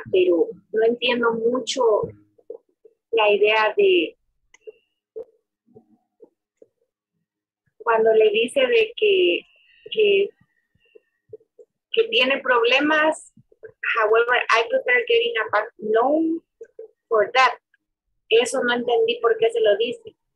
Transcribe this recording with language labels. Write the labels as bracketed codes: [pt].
[es] Pero no entiendo mucho la idea de cuando le dice de que tiene problemas. [en] However, I prefer getting a bank loan for that. [es] Eso no entendí por qué se lo dice.